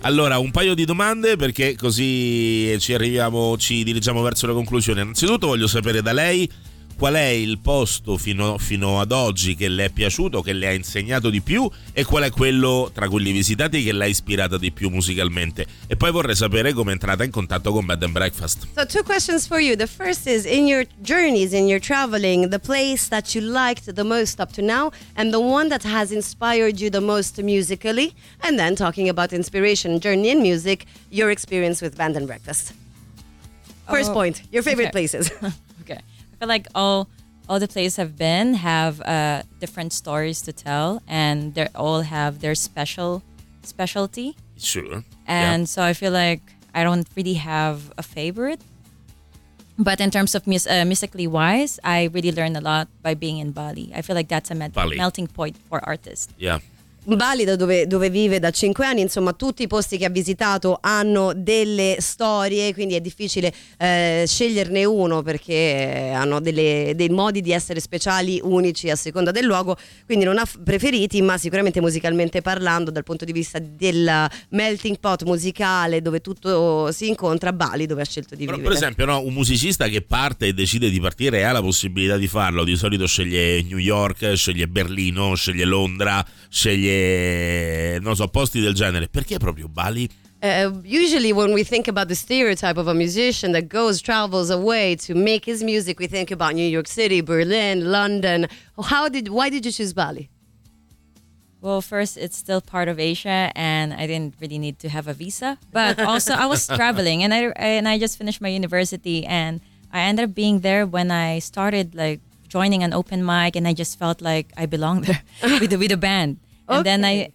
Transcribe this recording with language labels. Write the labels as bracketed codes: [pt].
[it] Allora, un paio di domande perché così ci arriviamo, ci dirigiamo verso la conclusione. Innanzitutto voglio sapere da lei qual è il posto fino ad oggi che le è piaciuto, che le ha insegnato di più, e qual è quello tra quelli visitati che l'ha ispirata di più musicalmente. E poi vorrei sapere come è entrata in contatto con Bed and Breakfast. [en] So two questions for you. The first is, in your journeys, in your traveling, the place that you liked the most up to now and the one that has inspired you the most musically, and then talking about inspiration, journey and music, your experience with Bed and Breakfast. First point, your favorite places. I feel like all the places I've been have different stories to tell, and they all have their specialty. Sure. And so I feel like I don't really have a favorite. But in terms of musically wise, I really learned a lot by being in Bali. I feel like that's a melting point for artists. Yeah. [it] Bali, da dove vive da 5 anni, insomma tutti i posti che ha visitato hanno delle storie, quindi è difficile sceglierne uno perché hanno dei modi di essere speciali, unici a seconda del luogo, quindi non ha preferiti, ma sicuramente musicalmente parlando, dal punto di vista del melting pot musicale dove tutto si incontra, Bali dove ha scelto di però vivere. Per esempio, no, un musicista che parte e decide di partire ha la possibilità di farlo, di solito sceglie New York, sceglie Berlino, sceglie Londra, sceglie non so, posti del genere. Perché proprio Bali? [en] Usually when we think about the stereotype of a musician that goes, travels away to make his music, we think about New York City, Berlin, London. Why did you choose Bali? Well, first, it's still part of Asia and I didn't really need to have a visa, but also I was traveling and I just finished my university and I ended up being there when I started like joining an open mic, and I just felt like I belonged there with the band. And okay.